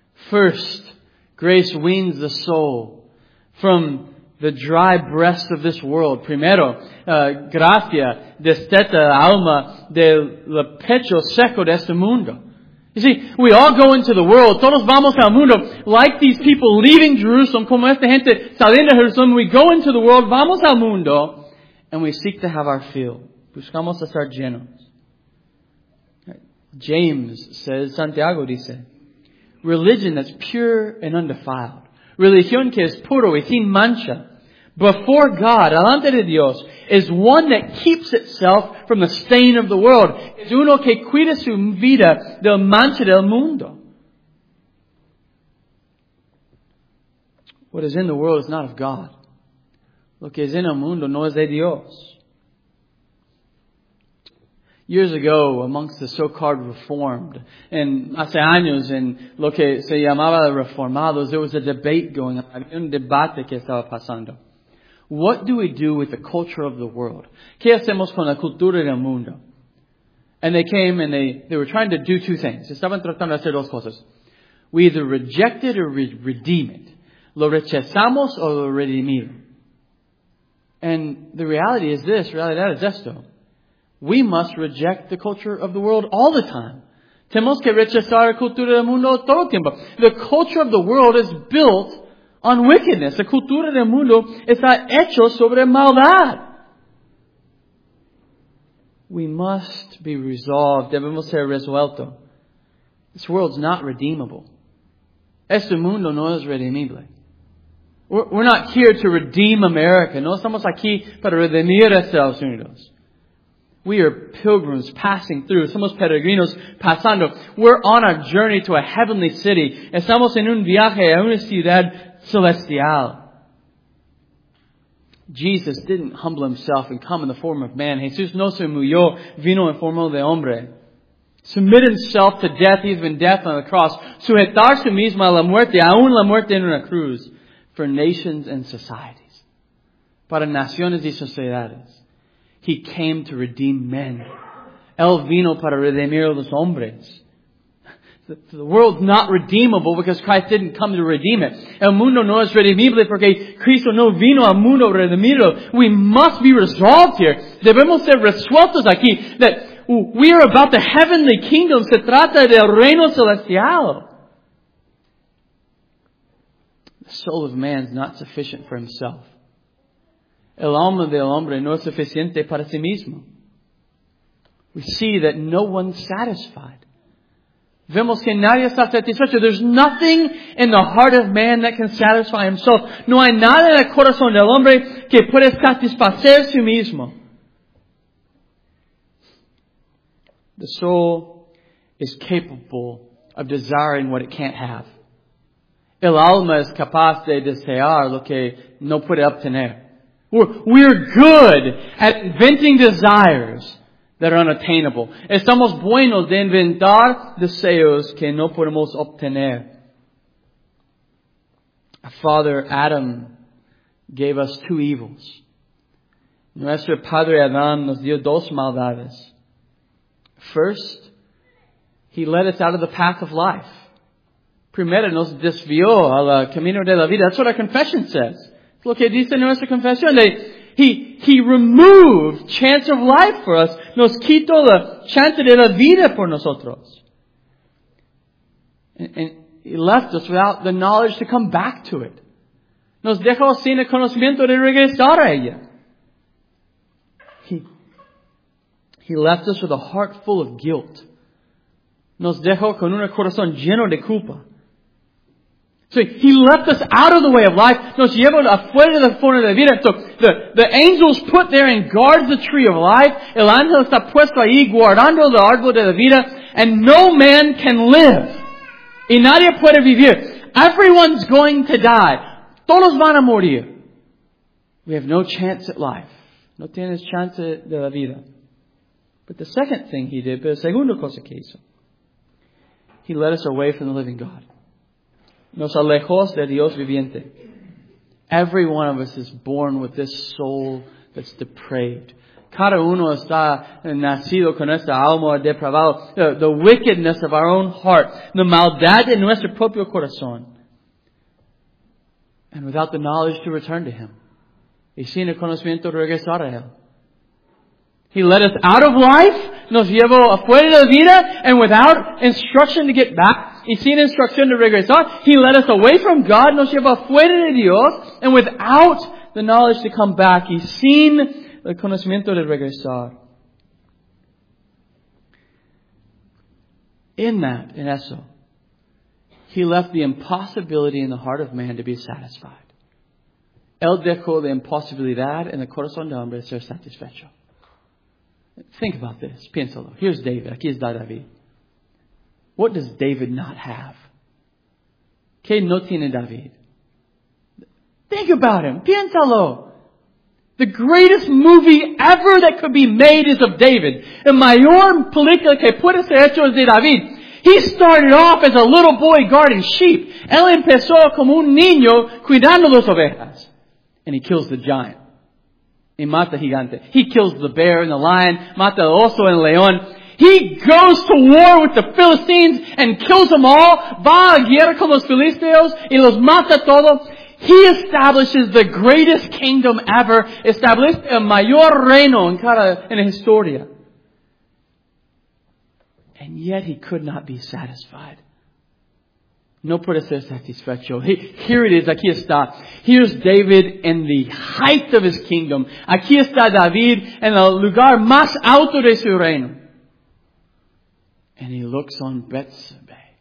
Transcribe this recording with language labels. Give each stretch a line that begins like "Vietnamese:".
English: First, grace weans the soul from the dry breast of this world.
Spanish: Primero, gracia desteta el alma del pecho seco de este mundo.
English: You see, we all go into the world.
Spanish: Todos vamos al mundo.
English: Like these people leaving Jerusalem,
Spanish: como esta gente saliendo de Jerusalem,
English: we go into the world,
Spanish: vamos al mundo,
English: and we seek to have our fill.
Spanish: Buscamos estar llenos.
English: James says,
Spanish: Santiago dice,
English: religion that's pure and undefiled,
Spanish: religión que es puro y sin mancha,
English: before God,
Spanish: delante de Dios,
English: is one that keeps itself from the stain of the world.
Spanish: Es uno que cuida su vida del mancha del mundo.
English: What is in the world is not of God.
Spanish: Lo que es en el mundo no es de Dios.
English: Years ago, amongst the so-called reformed, and
Spanish: hace años en lo que se llamaba reformados,
English: there was a debate going on.
Spanish: Había un debate que estaba pasando.
English: What do we do with the culture of the world?
Spanish: ¿Qué hacemos con la cultura del mundo?
English: And they came and they were trying to do two things.
Spanish: Estaban tratando de hacer dos cosas.
English: We either reject it or redeem it.
Spanish: Lo rechazamos o lo redimimos.
English: And the reality is this,
Spanish: realidad es esto.
English: We must reject the culture of the world all the time.
Spanish: Tenemos que rechazar la cultura del mundo todo el tiempo.
English: The culture of the world is built on wickedness.
Spanish: La cultura del mundo está hecho sobre maldad.
English: We must be resolved.
Spanish: Debemos ser resuelto.
English: This world's not redeemable.
Spanish: Este mundo no es redimible.
English: We're not here to redeem America.
Spanish: No estamos aquí para redimir Estados Unidos.
English: We are pilgrims passing through.
Spanish: Somos peregrinos pasando.
English: We're on a journey to a heavenly city.
Spanish: Estamos en un viaje a una ciudad celestial.
English: Jesus didn't humble himself and come in the form of man.
Spanish: Jesús no se humilló, vino en forma de hombre.
English: Submit himself to death, even death on the cross.
Spanish: Sujetar su mismo a la muerte, aún la muerte en una cruz.
English: For nations and societies.
Spanish: Para naciones y sociedades.
English: He came to redeem men.
Spanish: Él vino para redimir a los hombres.
English: The world's not redeemable because Christ didn't come to redeem it.
Spanish: El mundo no es redimible porque Cristo no vino al mundo a redimirlo.
English: We must be resolved here.
Spanish: Debemos ser resueltos aquí.
English: That we are about the heavenly kingdom.
Spanish: Se trata del reino celestial.
English: The soul of man is not sufficient for himself.
Spanish: El alma del hombre no es suficiente para sí mismo.
English: We see that no one's satisfied.
Spanish: Vemos que nadie está satisfecho.
English: There's nothing in the heart of man that can satisfy himself.
Spanish: No hay nada en el corazón del hombre que pueda satisfacer sí mismo.
English: The soul is capable of desiring what it can't have.
Spanish: El alma es capaz de desear lo que no puede obtener.
English: We're good at inventing desires that are unattainable.
Spanish: Estamos buenos de inventar deseos que no podemos obtener.
English: Father Adam gave us two evils.
Spanish: Nuestro padre Adán nos dio dos maldades.
English: First, he led us out of the path of life.
Spanish: Primero nos desvió al camino de la vida.
English: That's what our confession says.
Spanish: Lo que dice nuestra confesión.
English: He removed chance of life for us.
Spanish: Nos quitó la chance de la vida por nosotros.
English: And he left us without the knowledge to come back to it.
Spanish: Nos dejó sin el conocimiento de regresar a ella.
English: He left us with a heart full of guilt.
Spanish: Nos dejó con un corazón lleno de culpa.
English: So he left us out of the way of life.
Spanish: Nos llevó afuera de la forma de vida.
English: So the angels put there and guard the tree of life.
Spanish: El ángel está puesto ahí guardando el árbol de la vida.
English: And no man can live.
Spanish: Y nadie puede vivir.
English: Everyone's going to die.
Spanish: Todos van a morir.
English: We have no chance at life.
Spanish: No tienes chance de la vida.
English: But the second thing he did,
Spanish: pero segunda cosa que hizo,
English: he led us away from the living God.
Spanish: Nos alejos de Dios viviente.
English: Every one of us is born with this soul that's depraved.
Spanish: Cada uno está nacido con esta alma depravada.
English: The wickedness of our own heart.
Spanish: The maldad de nuestro propio corazón.
English: And without the knowledge to return to Him.
Spanish: Y sin el conocimiento de regresar a Él.
English: He led us out of life.
Spanish: Nos llevó afuera de la vida.
English: And without instruction to get back.
Spanish: Y sin instrucción de regresar,
English: he led us away from God,
Spanish: nos llevó fuera de Dios,
English: and without the knowledge to come back,
Spanish: y sin el conocimiento de regresar.
English: In
Spanish: eso,
English: he left the impossibility in the heart of man to be satisfied.
Spanish: Él dejó la imposibilidad en el corazón del hombre de ser satisfecho.
English: Think about this,
Spanish: piénsalo.
English: Here's David,
Spanish: aquí está David.
English: What does David not have?
Spanish: ¿Qué no tiene David?
English: Think about him.
Spanish: Piénsalo.
English: The greatest movie ever that could be made is of David.
Spanish: El mayor película que puede ser hecho es de David.
English: He started off as a little boy guarding sheep.
Spanish: Él empezó como un niño cuidando las ovejas.
English: And he kills the giant.
Spanish: Y mata gigante.
English: He kills the bear and the lion.
Spanish: Mata el oso and el león.
English: He goes to war with the Philistines and kills them all.
Spanish: Va a guerra con los filisteos y los mata todos.
English: He establishes the greatest kingdom ever.
Spanish: Establece el mayor reino en cada en la historia.
English: And yet he could not be satisfied.
Spanish: No puede ser satisfecho.
English: Here it is.
Spanish: Aquí está.
English: Here's David in the height of his kingdom.
Spanish: Aquí está David en el lugar más alto de su reino.
English: And he looks on Bathsheba.